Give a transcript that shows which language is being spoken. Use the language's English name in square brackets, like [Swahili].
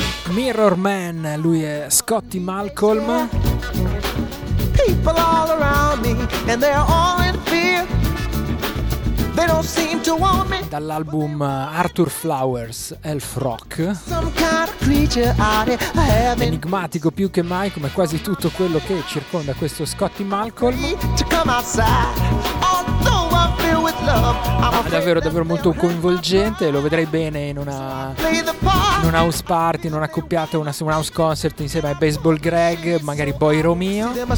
[Italian] Mirror Man, lui è Scotty Malcolm. [English] People all around me and they're all in fear. They don't seem to want me. [Italian] Dall'album Arthur Flowers, Elf Rock. [English] Some kind of creature out of heaven. [Italian] Enigmatico più che mai, come quasi tutto quello che circonda questo Scotty Malcolm. [English] To come outside, although I'm filled with [Italian] Ma davvero, davvero molto coinvolgente. Lo vedrei bene in una, house party, in una accoppiata, una, un house concert insieme ai Baseball Greg, magari Boy Romeo.